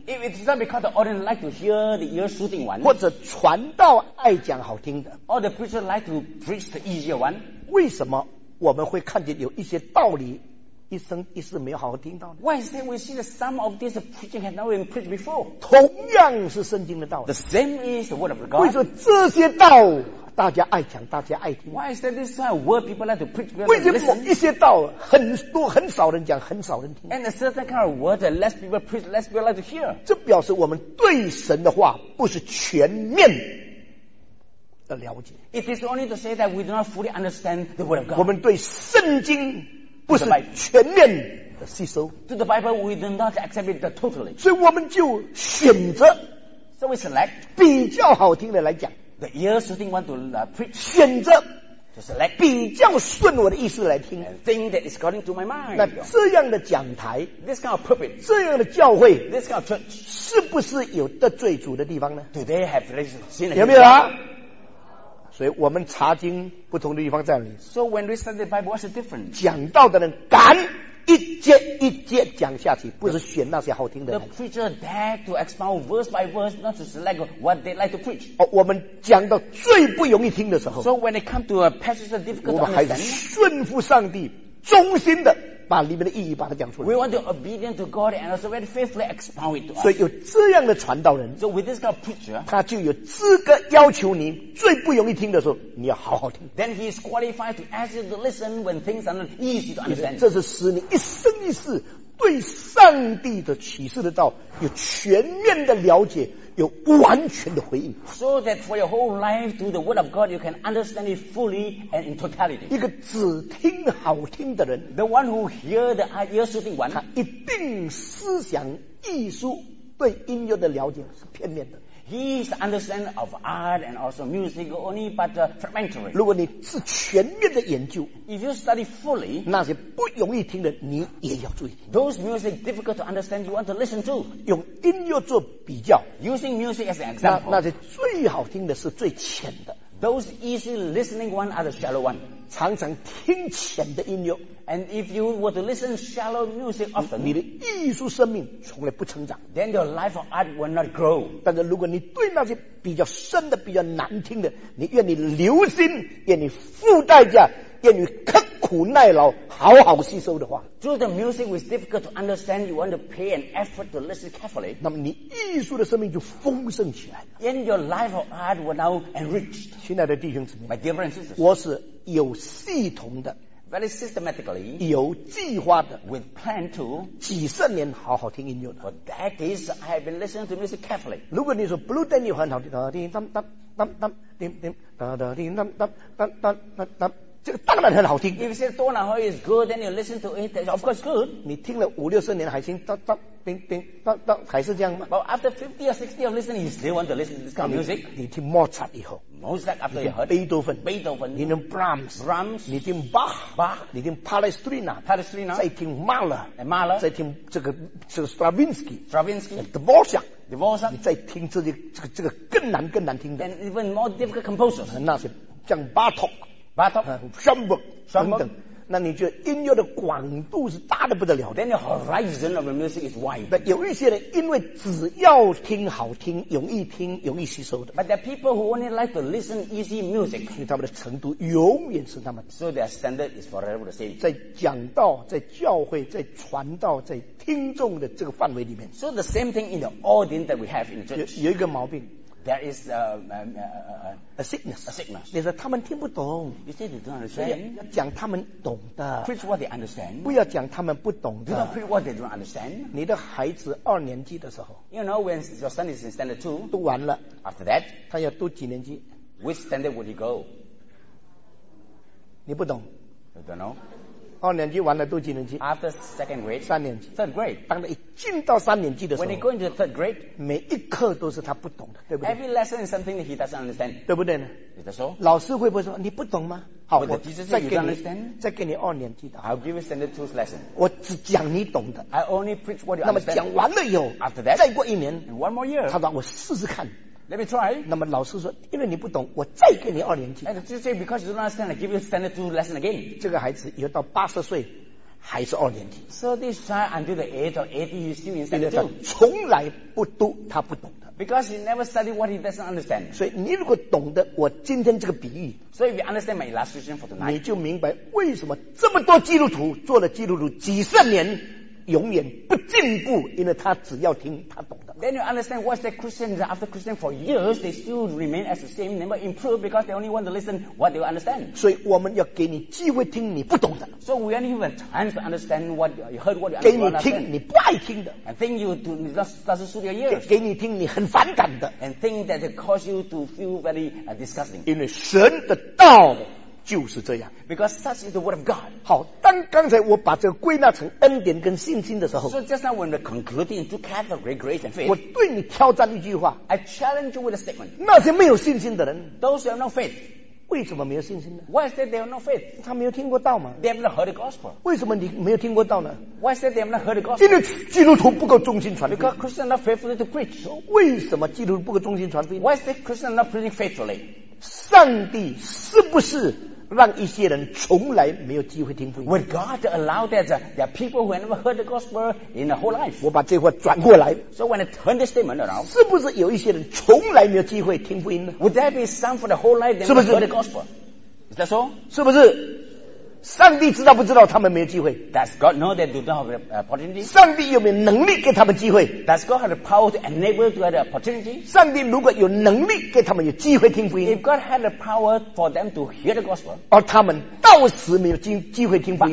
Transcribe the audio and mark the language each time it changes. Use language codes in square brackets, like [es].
[en] If it's not because the audience like to hear the ear soothing one [zh] 或者传道爱讲好听的 [en] Or the preacher like to preach the easier one [zh] 为什么我们会看见有一些道理一生一世没有好好听到呢 [en] Why is it we see that some of this preaching has not been preached before [zh] 同样是圣经的道理 [en] The same is the word of God [zh] 为什么这些道大家爱讲，大家爱听。 [en] Why is that this kind of word people like to preach? [zh] 为什么一些道很多很少人讲，很少人听 [en] ？And a certain kind of word that less people preach, less people like to hear. [zh] 这表示我们对神的话不是全面的了解。 [en] It is only to say that we do not fully understand the word of God. [zh] 我们对圣经不是全面的吸收。 [en] To the Bible, we do not accept it totally. [zh] 所以我们就选择 [en] ，so we select [zh] 比较好听的来讲。 [en] The ears who think want to preach [zh] 选择 [en] to select [zh] 比较顺我的意思来听 [en] and think that is according to my mind [zh] 那这样的讲台 [en] this kind of pulpit [zh] 这样的教会 [en] this kind of church [zh] 是不是有得罪主的地方呢 [en] do they have relations [zh] 有没有啊所以我们查经不同的地方在哪里 [en] so when we study the Bible what's the difference [zh] 讲道的人敢一节一节讲下去不是选那些好听的 [en] The preacher dare to expound verse by verse not to select what they like to preach、 [zh] 哦、我们讲到最不容易听的时候 [en] So when it comes to a passage that's difficult to understand [zh] 我们还是顺服上帝忠心的把里面的意义把它讲出来 [en] We want to be obedient to God and also very faithfully expound it to us [zh] 所以有这样的传道人 [en] So with this kind of preacher [zh] 他就有资格要求你最不容易听的时候你要好好听 [en] Then he is qualified to ask you to listen when things are not easy to understand [zh] 这是使你一生一世对上帝的启示的道有全面的了解有完全的回应 [en] So that for your whole life through the word of God you can understand it fully and in totality [zh] 一个只听好听的人 [en] The one who hear the ear soothing one [zh] 他一定思想艺术对音乐的了解是片面的 [en] He is understand of art and also music only but fragmentary [zh] 如果你是全面的研究 [en] If you study fully [zh] 那些不容易听的你也要注意 [en] Those music difficult to understand you want to listen to [zh] 用音乐做比较 [en] Using music as an example [zh] 那些最好听的是最浅的 [en] Those easy listening one are the shallow one [zh] 常常听浅的音乐 [en] And if you were to listen shallow music often [zh] 你的艺术生命从来不成长 [en] Then your life of art will not grow [zh] 但是如果你对那些比较深的比较难听的你愿意留心愿意付代价愿意刻苦耐劳好好吸收的话 [en] Do the music is difficult to understand you want to pay an effort to listen carefully [zh] 那么你艺术的生命就丰盛起来 [en] Then your life of art will now enriched [zh] 亲爱的弟兄姊妹 [en] My dear friends and sisters [zh] 我是有系统的 [en] Very systematically [zh] 有计划的 [en] With plan to [zh] 几十年好好听音乐的 [en] For decades I have been listening to music carefully [zh] 如果你说 Blue Daniel 很好听哒哒哒哒哒哒哒哒哒哒哒哒哒哒哒哒哒这个当然很好听 [en] If you say Donahoe is good Then you listen to it Of course good [zh] 你听了五六十年还行噔噔噔噔噔噔还是这样吗 [en] But after 50 or 60 of listening You still want to listen to this kind of music [zh] 你听 Mozart 以后 [en] Mozart after you heard [zh] Beethoven 你听 Brahms [en] Brahms [zh] 你听 Bach [en] Bach [zh] 你听 Palestrina [en] Palestrina [zh] 再听 Mahler [en] And Mahler [zh] 再听这个 Stravinsky [en] Stravinsky [zh] Dvorak [en] Dvorak [zh] 你再听这个更难更难听的 [en] And even more difficult composers [zh] 那些像 Bartok [en] Bartok [zh] Schoenberg 等等那你觉得音乐的广度是大的不得了。 [en] Then the horizon of the music is wide. [zh] 但有一些人因为只要听好听，容易听，容易吸收的。 [en] But there are people who only like to listen easy music. [zh] 所以他们的程度永远是那么。 [en] So their standard is forever the same. [zh] 在讲道，在教会，在传道，在听众的这个范围里面。 [en] So the same thing in the audience that we have in the church. [zh] 有一个毛病。 [en] There is a sickness. A sickness. [zh] 你说他们听不懂。 [en] You say they don't understand. [zh] 要讲他们懂的。 [en] Preach what they understand. [zh] 不要讲他们不懂的。 [en] Do not preach what they don't understand. [zh] 你的孩子二年级的时候。 [en] You know when your son is in standard two. [zh] 读完了。 [en] After that. [zh] 他要读几年级。 [en] Which standard would he go? [zh] 你不懂。 [en] You don't know. [zh] 二年级完了读几年级 [en] ？After second grade， [zh] 三年级。 [en] Third grade， [zh] 当他一进到三年级的时候 [en] ，When he goes into third grade， [zh] 每一课都是他不懂的，对不对 [en] ？Every lesson is something that he doesn't understand， [zh] 对不对呢 [en] ？Is that so？ [zh] 老师会不会说你不懂吗？好，我再给你， [en] say, [zh] 再给你二年级的。 [en] I'll give you standard two lesson。 [zh] 我只讲你懂的。 [en] I only preach what you understand。 [zh] 那么讲完了以后 [en] ，After that， [zh] 再过一年 [en] ，One more year， [zh] 他说我试试看。 [en] Let me try. [zh] 那么老师说，因为你不懂，我再给你二年级。 [en] And the teacher say, because you don't understand, I give you standard two lesson again. [zh] 这个孩子以后到八十岁还是二年级。 [en] So this child until the age of 80, he's still in standard two. [zh] 从来不读他不懂的。 [en] Because he never studied what he doesn't understand. [zh] 所以你如果懂得我今天这个比喻。 [en] So if you understand my illustration for tonight. [zh] 你就明白为什么这么多基督徒做了基督徒几十年。永远不进步，因为他只要听，他懂的。 [en] Then you understand what's the Christian after Christian for years, they still remain as the same, never improve because they only want to listen what they understand. [zh] 所以我们要给你机会听你不懂的。 [en] So we only have a chance to understand what you heard what you understand. [zh] 给你听你不爱听的。 [en] And think you do not suit your ears. [zh] 给你听你很反感的。 [en] And think that it causes you to feel very disgusting. [zh] 因为神的道。就是这样 [en] ，because such is the word of God。 [zh] 好，当刚才我把这个归纳成恩典跟信心的时候 [en] ，so just now when we're concluding two categories, grace and faith， [zh] 我对你挑战一句话 [en] ，I challenge you with a statement。 [zh] 那些没有信心的人 [en] ，those who have no faith， [zh] 为什么没有信心呢 [en] ？Why is that they have no faith？ [zh] 他没有听过道吗 [en] ？They have not heard the gospel。 [zh] 为什么你没有听过道呢 [en] ？Why is that they have not heard the gospel？ [zh] 因为基督徒不够忠心传福音 [en] ，because Christians are not faithful to preach。 [zh] 为什么基督徒不够忠心传福音 [en] ？Why is that Christians are not preaching faithfully？ [zh] 上帝是不是？让一些人从来没有机会听福音。 [en] Would God allow that there are people who have never heard the gospel in their whole life? [zh] 我把这话转过来。 [en] So when I turn the statement around, [zh] 是不是有一些人从来没有机会听福音呢 [en] ？Would there be some for the whole life they never heard the gospel? Is that so? [zh] 是不是？上帝知道不知道他们没有机会 [en] ？Does God know that they don't have the opportunity? [zh] 上帝有没有能力给他们机会 [en] ？Does God have the power to enable to have the opportunity? [zh] 上帝如果有能力给他们有机会听福音 [en] ，If God had the power for them to hear the gospel， [zh] 而他们到死没有机会听福音